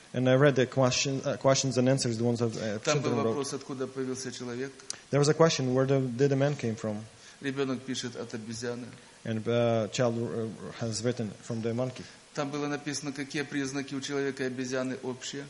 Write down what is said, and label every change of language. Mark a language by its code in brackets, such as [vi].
[en] And I read the questions and answers, the ones that children wrote. [ru] Там был вопрос, откуда появился человек. [en] There was a question, where did the man came from? [ru] Ребенок пишет от обезьяны. [en] And a child has written from the monkey. [ru] Там было написано, какие признаки у человека и обезьяны общие.